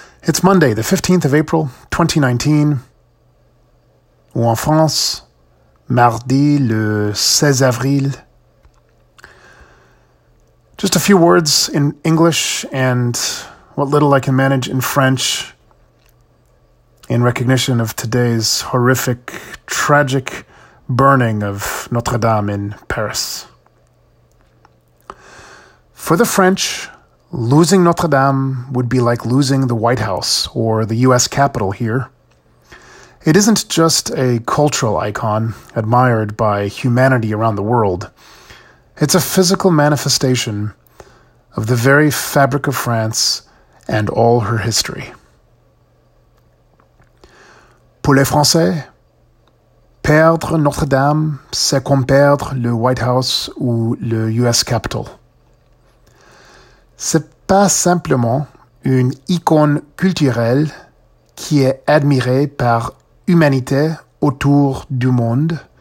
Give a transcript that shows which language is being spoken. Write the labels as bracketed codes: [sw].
[en] It's Monday, the 15th of April, 2019. [fr] Ou en France, mardi le 16 avril. [en] Just a few words in English and what little I can manage in French in recognition of today's horrific, tragic burning of Notre Dame in Paris. For the French, losing Notre Dame would be like losing the White House or the U.S. Capitol here. It isn't just a cultural icon admired by humanity around the world. It's a physical manifestation of the very fabric of France and all her history. [fr] Pour les Français, perdre Notre Dame, c'est comme perdre le White House ou le U.S. Capitol. C'est pas simplement une icône culturelle qui est admirée par humanité autour du monde.